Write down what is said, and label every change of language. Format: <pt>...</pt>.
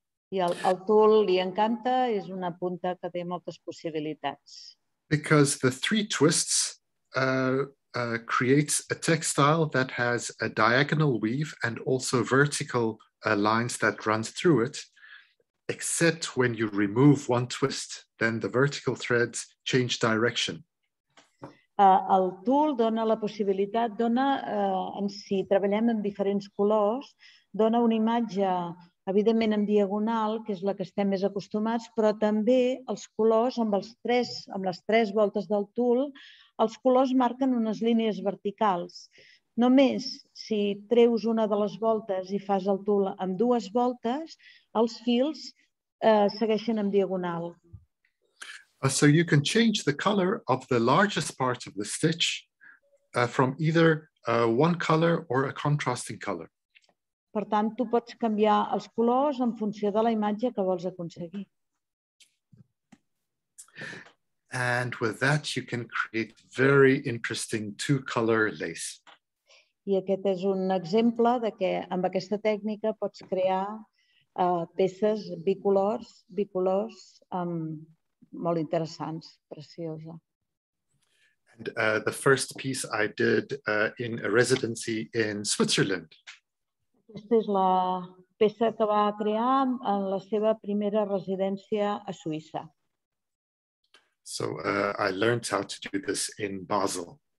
<ca>I el tul li encanta, és una punta que té moltes possibilitats.</ca> <en>Because the three twists creates a textile that has a diagonal weave and also vertical lines that run through it, except when you remove one twist, then the vertical threads change direction.</en> <ca>El tul dona la possibilitat, si treballem en diferents colors, dona una imatge, evidentment, en diagonal, que és la que estem més acostumats, però també els colors, amb les tres voltes del tul, els colors marquen unes línies verticals. Només si treus una de les voltes i fas el tul amb dues voltes, els fils segueixen en diagonal.</ca> <en>So you can change the color of the largest part of the stitch from either one color or a contrasting color.</en> <ca>Per tant, tu pots canviar els colors en funció de la imatge que vols aconseguir.</ca> <en>And with that you can create very interesting two-color lace.</en> <ca>I aquest és un exemple de que amb aquesta tècnica pots crear peces bicolors molt interessants, preciosa.</ca> <en>And the first piece I did in a residency in Switzerland.</en> <ca>Aquesta és la peça que va crear en la seva primera residència a Suïssa.</ca> <en>So I learned how to do this in Basel.</en>